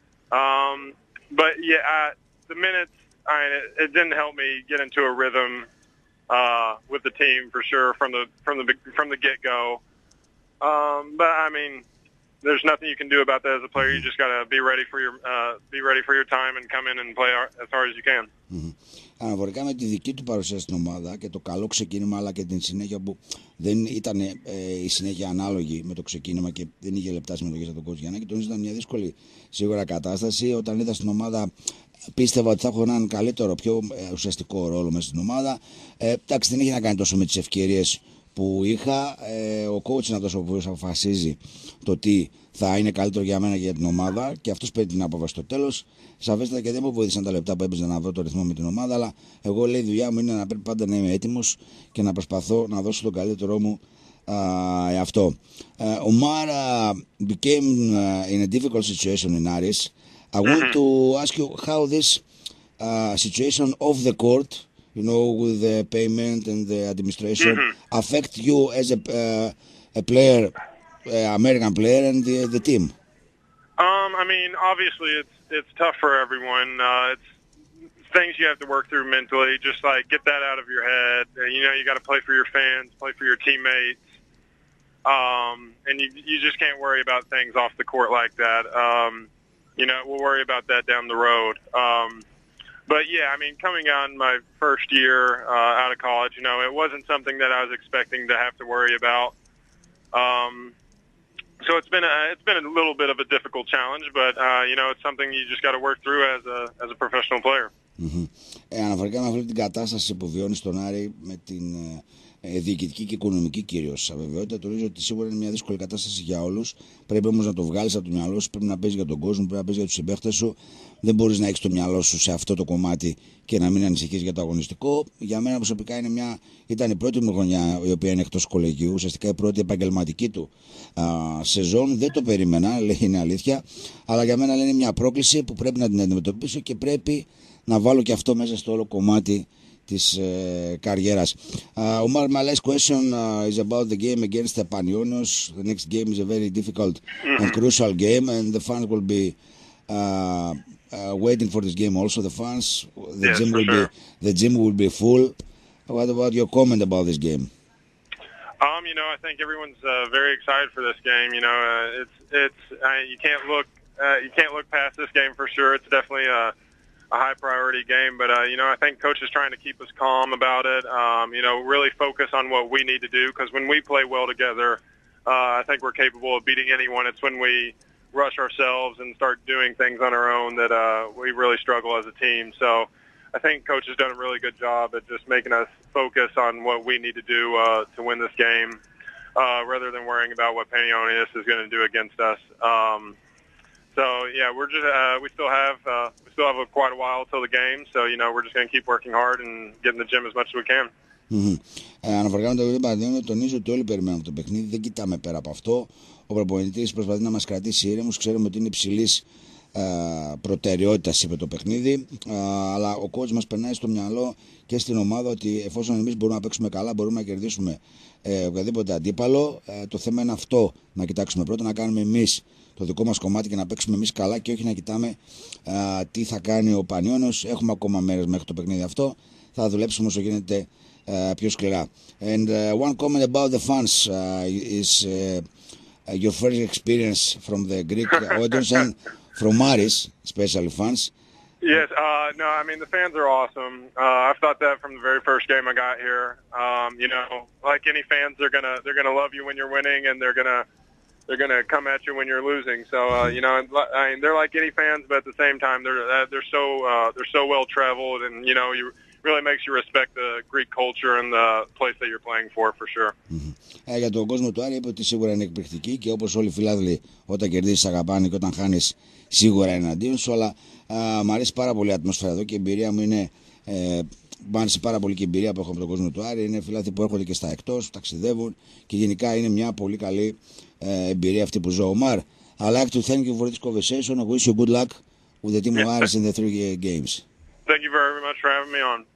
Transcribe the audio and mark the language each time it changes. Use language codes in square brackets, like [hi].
[en] But yeah, the minutes, it didn't help me get into a rhythm with the team for sure from the get-go. But I mean, there's nothing you can do about that as a player. Mm-hmm. You just got to be ready for your time and come in and play as hard as you can. [el] Αναφορικά με τη δική του παρουσία στην ομάδα και το καλό ξεκίνημα, αλλά και την συνέχεια που δεν ήταν η συνέχεια ανάλογη με το ξεκίνημα και δεν είχε λεπτά συμμετοχή από τον κόσμο Γιάννη, και τον ήταν μια δύσκολη σίγουρα κατάσταση. Όταν είδα στην ομάδα, πίστευα ότι θα έχω έναν καλύτερο, πιο ουσιαστικό ρόλο μέσα στην ομάδα. Εντάξει, δεν είχε να κάνει τόσο με τις ευκαιρίες που είχα. Ο coach είναι αυτός ο οποίος αποφασίζει το τι θα είναι καλύτερο για μένα και για την ομάδα, και αυτός παίρνει την απόφαση στο τέλος. Σαφέστατα και δεν μου βοήθησαν τα λεπτά που έπαιζε να βρω το ρυθμό με την ομάδα, αλλά εγώ, λέει, η δουλειά μου είναι να πρέπει πάντα να είμαι έτοιμος και να προσπαθώ να δώσω τον καλύτερό μου αυτό. Ο Μάρα [en] became in a difficult situation in Aris. I want to ask you how this situation off the court, you know, with the payment and the administration, mm-hmm. affect you as a player, American player, and the team? I mean, obviously, it's tough for everyone. It's things you have to work through mentally, just like get that out of your head. You know, you got to play for your fans, play for your teammates, and you just can't worry about things off the court like that. You know, we'll worry about that down the road. But yeah, I mean, coming on my first year out of college, you know, it wasn't something that I was expecting to have to worry about. So it's been a little bit of a difficult challenge, but you know, it's something you just got to work through as a professional player. [el] Αναφορικά με αυτή την κατάσταση που βιώνει στον Άρη με την διοικητική και οικονομική κυρίως αβεβαιότητα, το ρίζω ότι σίγουρα είναι μια δύσκολη κατάσταση για όλους. Πρέπει όμως να το βγάλεις από το μυαλό σου, πρέπει να παίζεις για τον κόσμο, πρέπει να παίζεις για τους συμπαίχτες σου. Δεν μπορείς να έχεις το μυαλό σου σε αυτό το κομμάτι και να μην ανησυχείς για το αγωνιστικό. Για μένα προσωπικά ήταν η πρώτη μου χρονιά η οποία είναι εκτός κολεγίου, ουσιαστικά η πρώτη επαγγελματική του σεζόν. Δεν το περίμενα, λέει, είναι αλήθεια. Αλλά για μένα είναι μια πρόκληση που πρέπει να την αντιμετωπίσω και πρέπει να βάλω και αυτό μέσα στο όλο κομμάτι της καριέρας. [en] Omar, my last question is about the game against the Panionios. The next game is a very difficult and crucial game, and the fans will be waiting for this game also. The fans, the yes, gym will sure. be the gym will be full. What about your comment about this game? You know, I think everyone's very excited for this game. You know, you can't look past this game for sure. It's definitely a high priority game, but you know, I think coach is trying to keep us calm about it. You know, really focus on what we need to do, because when we play well together, I think we're capable of beating anyone. It's when we rush ourselves and start doing things on our own that we really struggle as a team. So I think coach has done a really good job at just making us focus on what we need to do to win this game, rather than worrying about what Panionios is going to do against us. So yeah, we're just we still have quite a while till the game. So you know, we're just going to keep working hard and get in the gym as much as we can. [el] Αναφορικά με το Παναθηναϊκό, τονίζω ότι όλοι περιμένουμε αυτό το παιχνίδι, δεν κοιτάμε πέρα από αυτό. Ο προπονητής προσπαθεί να μας κρατήσει ήρεμους, ξέρουμε ότι είναι υψηλής προτεραιότητας, είπε το παιχνίδι. Αλλά ο κόουτς μας περνάει στο μυαλό και στην ομάδα ότι εφόσον εμείς μπορούμε να παίξουμε καλά, μπορούμε να κερδίσουμε οποιοδήποτε αντίπαλο. Το θέμα είναι αυτό, να κοιτάξουμε πρώτα, να κάνουμε εμείς το δικό μας κομμάτι και να παίξουμε εμείς καλά, και όχι να κοιτάμε τι θα κάνει ο Πανιόνιος. Έχουμε ακόμα μέρες μέχρι το παιχνίδι αυτό. Θα δουλέψουμε όσο γίνεται πιο σκληρά. [en] And one comment about the fans is your first experience from the Greek audience and from Aris, especially fans. Yes, no, I mean, the fans are awesome. I've thought that from the very first game I got here. You know, like any fans, they're gonna love you when you're winning, and they're gonna come at you when you're losing. So you know, I mean, they're like any fans, but at the same time, they're so well traveled, and you know, you really makes you respect the Greek culture and the place that you're playing for sure. [el] Για τον κόσμο του Άρη, είπε ότι σίγουρα είναι εκπληκτική, και όπως όλοι οι φιλάθλοι, όταν κερδίζεις αγαπάνε, και όταν χάνεις σίγουρα είναι αντίον σου. Αλλά μου αρέσει πάρα πολύ η ατμόσφαιρα εδώ, και η εμπειρία μου είναι. Μου άρεσε πάρα πολύ και η εμπειρία που έχω από τον κόσμο του Άρη. Είναι φιλάθλοι που έρχονται και στα εκτός, ταξιδεύουν, και γενικά είναι μια πολύ καλή εμπειρία αυτή που ζω. [en] Ομάρ, I'd like to thank you for this conversation. I wish you good luck with the team of Aris in the three games. Thank you very much for having me on.